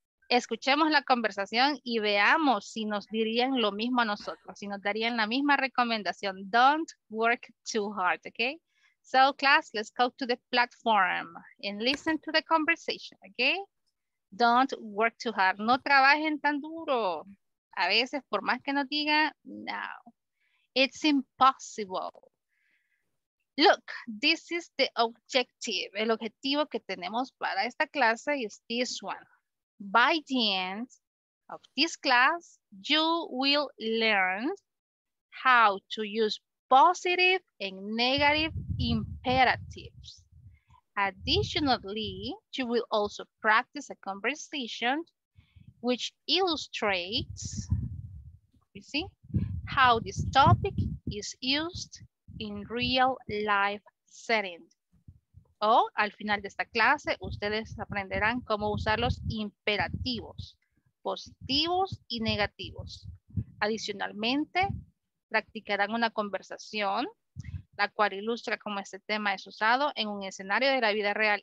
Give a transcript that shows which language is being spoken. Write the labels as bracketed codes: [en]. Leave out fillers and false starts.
[es] Escuchemos la conversación y veamos si nos dirían lo mismo a nosotros, si nos darían la misma recomendación. [en] Don't work too hard, okay? So class, let's go to the platform and listen to the conversation, okay? Don't work too hard. [es] No trabajen tan duro. A veces, por más que nos digan, no. [en] It's impossible. Look, this is the objective, [es] el objetivo que tenemos para esta clase [en] is this one. By the end of this class, you will learn how to use positive and negative imperatives. Additionally, you will also practice a conversation which illustrates, you see, how this topic is used in real life settings. [es] O al final de esta clase, ustedes aprenderán cómo usar los imperativos, positivos y negativos. Adicionalmente, practicarán una conversación, la cual ilustra cómo este tema es usado en un escenario de la vida real.